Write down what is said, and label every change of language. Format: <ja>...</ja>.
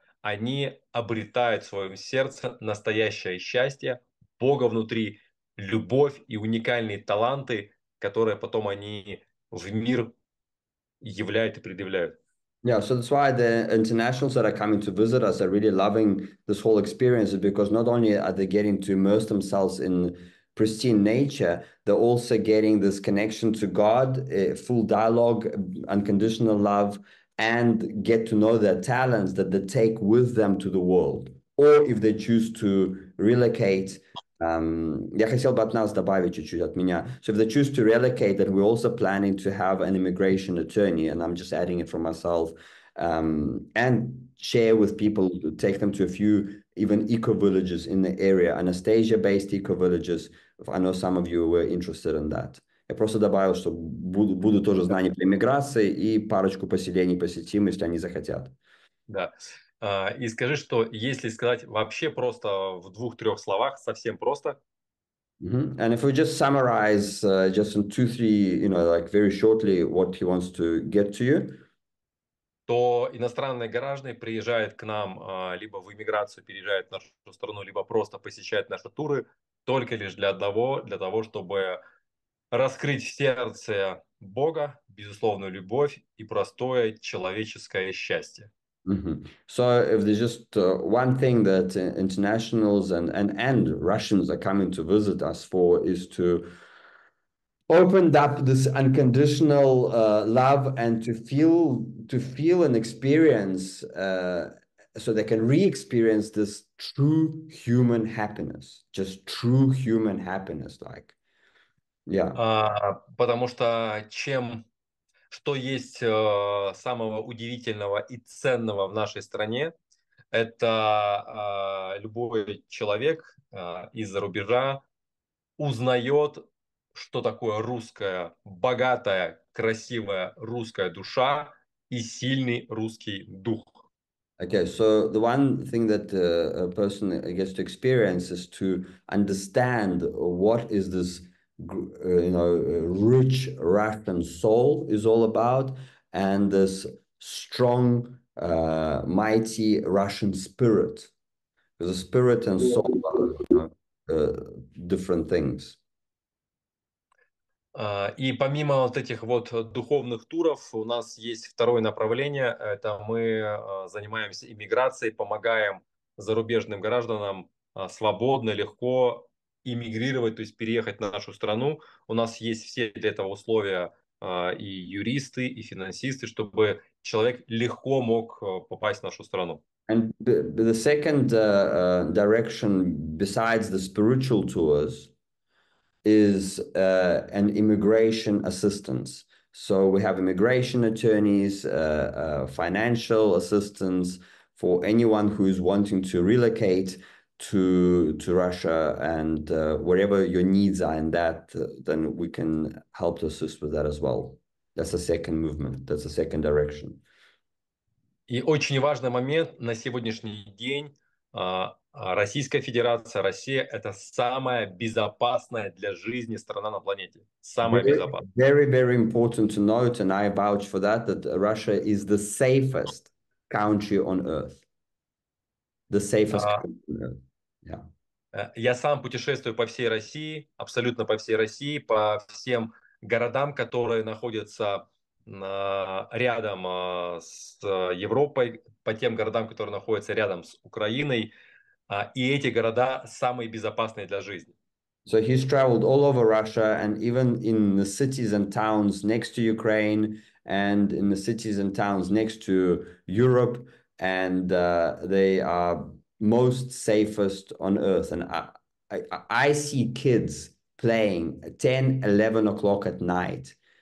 <ru>Они обретают в своем сердце настоящее счастье, Бога внутри, любовь и уникальные таланты, которые потом они в мир являют и предъявляют.</ru> <en>Yeah, so that's why the internationals that are coming to visit us are really loving this whole experience, because not only are they getting to immerse themselves in pristine nature, they're also getting this connection to God, full dialogue, unconditional love, and get to know their talents that they take with them to the world. Or if they choose to relocate,</en> <ru>я хотел бы от нас добавить чуть-чуть от меня.</ru> <en>So if they choose to relocate, then we're also planning to have an immigration attorney, and I'm just adding it for myself, and share with people, take them to a few even eco-villages in the area, Anastasia-based eco-villages. I know some of you were interested in that.</en> <ru>Я просто добавил, что буду тоже знания про иммиграции и парочку поселений посетим, если они захотят. Да. И скажи, что если сказать вообще просто в двух-трех словах, совсем просто.</ru> <en>And if we just summarize just in 2-3, you know, like very shortly what he wants to get to you.</en> <ru>То иностранные граждане приезжают к нам, либо в иммиграцию переезжают в нашу страну, либо просто посещают наши туры, только лишь для того, чтобы раскрыть в сердце Бога, безусловную любовь и простое человеческое счастье.</ru> <en>So if there's just one thing that internationals and Russians are coming to visit us for, is to open up this unconditional love and to feel and experience, so they can re-experience this true human happiness, just true human happiness, like, yeah.</en> <ru>Потому что чем что есть самого удивительного и ценного в нашей стране, это любой человек из-за рубежа узнает, что такое русская, богатая, красивая русская душа и сильный русский дух.</ru> <en>Okay, so the one thing that a person gets to experience is to understand what is this, you know, rich Russian soul is all about, and this strong, mighty Russian spirit. The spirit and soul are, you know, different things.</en> <ru>И помимо вот этих вот духовных туров, у нас есть второе направление. Это мы занимаемся иммиграцией, помогаем зарубежным гражданам свободно, легко иммигрировать, то есть переехать на нашу страну. У нас есть все для этого условия, и юристы, и финансисты, чтобы человек легко мог попасть в нашу страну.</ru> <en>And the second direction besides the spiritual tours is an immigration assistance. So we have immigration attorneys, financial assistance for anyone who is wanting to relocate to Russia, and whatever your needs are in that, then we can help to assist with that as well. That's the second movement, that's the second direction.</en> <ru>И очень важный момент: на сегодняшний день Российская Федерация, Россия – это самая безопасная для жизни страна на планете. Самая</ru> <en>very,</en> <ru>безопасная.</ru> <en>Very, very important to note, and I vouch for that, that Russia is the safest country on earth. The safest country on earth. Yeah.</en> <ru>Я сам путешествую по всей России, абсолютно по всей России, по всем городам, которые находятся рядом с Европой, по тем городам, которые находятся рядом с Украиной. И эти города самые безопасные для жизни.</ru> <en>So he's traveled all over Russia, and even in the cities and towns next to Ukraine, and in the cities and towns next to Europe, and they are most safest on earth. And I see kids playing at 10, 11 o'clock at night.</en>